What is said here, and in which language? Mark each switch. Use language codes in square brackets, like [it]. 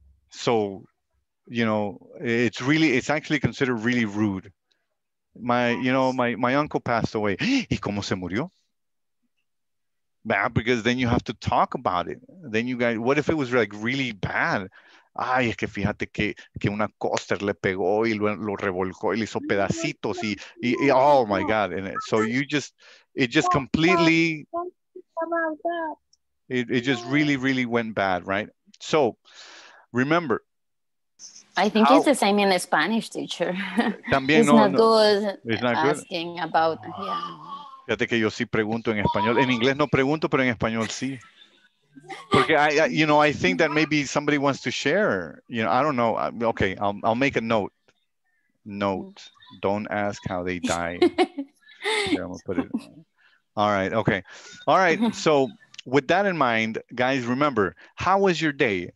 [en] So, it's actually considered really rude. My uncle passed away. [es] ¿Y cómo se murió? [en] Bad, because then you have to talk about it. Then you guys, what if it was like really bad? [es] Ay, es que fíjate que una coaster le pegó y lo revolcó y le hizo pedacitos y [en] oh my God. And so you just, it just completely, it just really, really went bad, right? So remember, I think it's the same in the Spanish, teacher. [es] También, [en] it's not good asking about, yeah. [es] Fíjate que yo sí pregunto en español. En inglés no pregunto, pero en español sí. [en] Porque, I think that maybe somebody wants to share. You know, I don't know. Okay, I'll make a note. Note, don't ask how they die. Okay, I'm gonna put it. All right, okay. All right, so with that in mind, guys, remember, how was your day?